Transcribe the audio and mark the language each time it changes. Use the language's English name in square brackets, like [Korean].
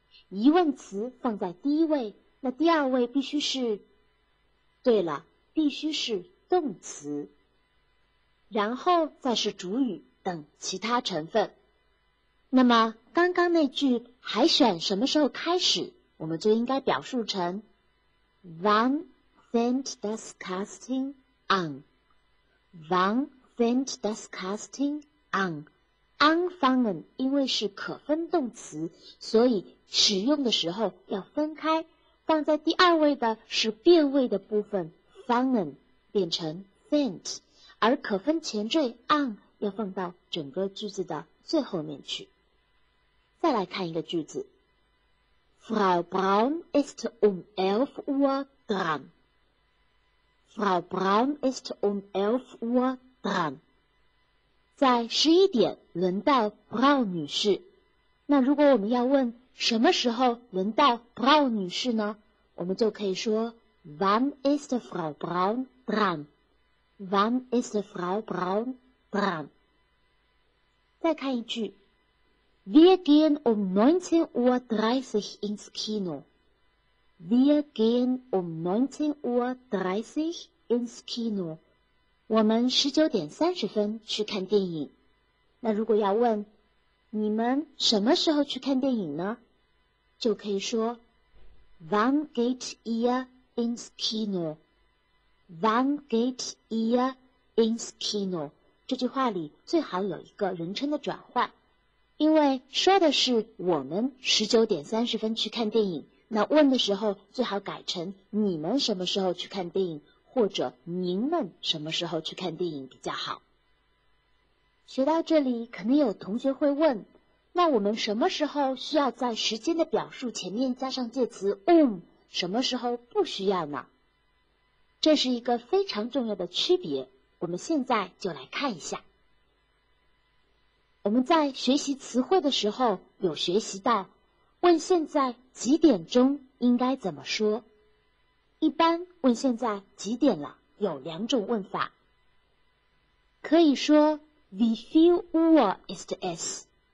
[Chinese] 疑问词放在第一位，那第二位必须是，对了，必须是动词，然后再是主语等其他成分。那么刚刚那句海选什么时候开始，我们就应该表述成 [German] Wann fängt das Casting an? Wann fängt das Casting an? [Chinese] Anfangen 因为是可分动词，所以使用的时候要分开，放在第二位的是变位的部分 Fangen 变成 fängt， 而可分前缀 an 要放到整个句子的最后面去。再来看一个句子， [German] Frau Braun ist um 11 Uhr dran. Frau Braun ist um 11 Uhr dran. [Chinese] 在11点轮到 Braun 女士。那如果我们要问什么时候轮到 Braun 女士呢？我们就可以说 [German] Wann ist Frau Braun dran? Wann ist Frau Braun dran? [Chinese] 再看一句。 [German] Wir gehen um 19.30 Uhr ins Kino. Wir gehen um 19.30 Uhr ins Kino. [Chinese] 我们19:30去看电影。那如果要问你们什么时候去看电影呢？就可以说 [German] Wann geht ihr ins Kino? Wann geht ihr ins Kino? [Chinese] 这句话里最好有一个人称的转换，因为说的是我们19:30去看电影，那问的时候最好改成你们什么时候去看电影，或者您们什么时候去看电影比较好。学到这里，可能有同学会问，那我们什么时候需要在时间的表述前面加上介词 on， 什么时候不需要呢？这是一个非常重要的区别，我们现在就来看一下。我们在学习词汇的时候有学习到问现在几点钟应该怎么说。一般问现在几点了有两种问法，可以说 [German] Wie viel Uhr ist es?